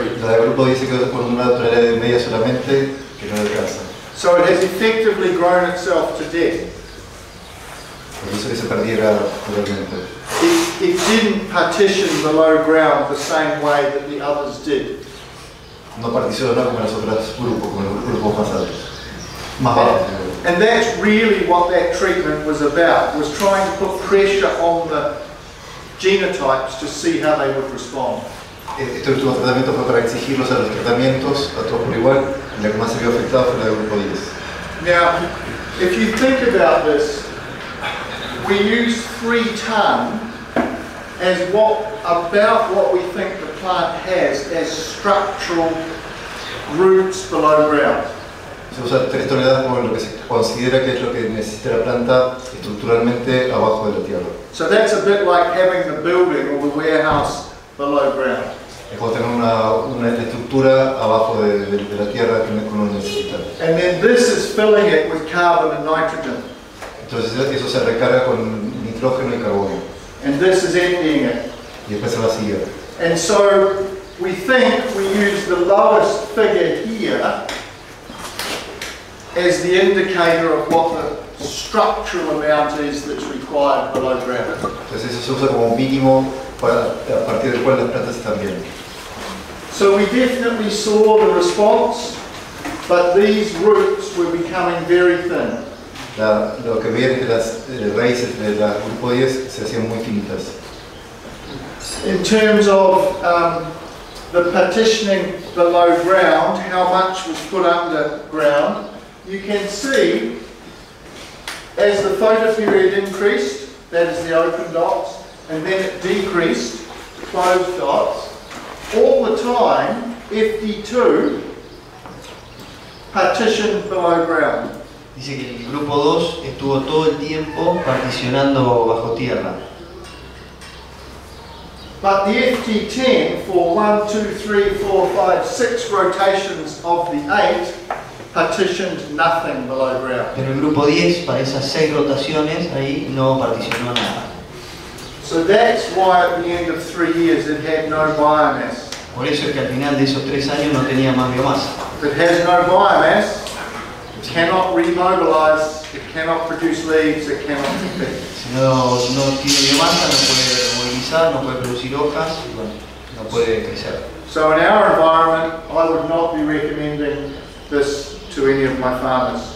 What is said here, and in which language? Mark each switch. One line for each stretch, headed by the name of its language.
Spanish: El grupo dice que con una tonelada de media solamente que no alcanza.
English: So it has effectively grown itself to death.
Spanish: Por eso que se perdiera totalmente.
English: It didn't partition below ground the same way that the others did.
Spanish: No particionó como las otras grupos, como los grupos pasados.
English: And that's really what that treatment was about, was trying to put pressure on the genotypes to see how they would respond.
Spanish: Este último tratamiento fue para exigirlos a los tratamientos, a todos por igual, y la que más se vio afectada fue la del grupo 10.
English: Now, if you think about this, we use 3 ton as what, about what we think the plant has as structural roots below ground.
Spanish: Se usa 3 toneladas como lo que se considera que es lo que necesita la planta estructuralmente abajo de la tierra.
English: So that's a bit like having the building or the warehouse below ground.
Spanish: Es como tener una estructura abajo de la tierra que uno necesita.
English: And then this is filling it with carbon and nitrogen.
Spanish: Entonces eso se recarga con nitrógeno y carbono.
English: And this is emptying it.
Spanish: Y después se vacía.
English: And so we think we use the lowest figure here as the indicator of what the structural amount is that's required below ground.
Spanish: Entonces eso se usa como mínimo a partir del cual las plantas están bien.
English: So we definitely saw the response, but these roots were becoming very thin.
Spanish: Lo que veía es que las raíces de la grupo 10 se hacían muy finitas.
English: In terms of the partitioning below ground, how much was put underground, you can see, as the photoperiod increased, that is the open dots, and then it decreased, closed dots, all the time, FD2 partitioned below ground.
Spanish: Dice que el grupo 2 estuvo todo el tiempo particionando bajo tierra.
English: But the FD10 for 1, 2, 3, 4, 5, 6 rotations of the 8 partitioned nothing below ground.
Spanish: Pero el grupo 10 para esas 6 rotaciones ahí no particionó nada.
English: So that's why at the end of 3 years it had no biomass.
Spanish: Por eso es que al final de esos 3 años no tenía más biomasa.
English: If it has no biomass, it cannot remobilize, it cannot produce leaves, it cannot compete.
Spanish: Si no tiene biomasa, no puede movilizar, no puede producir hojas, y bueno, no puede crecer.
English: So in our environment, I would not be recommending this to any of my farmers.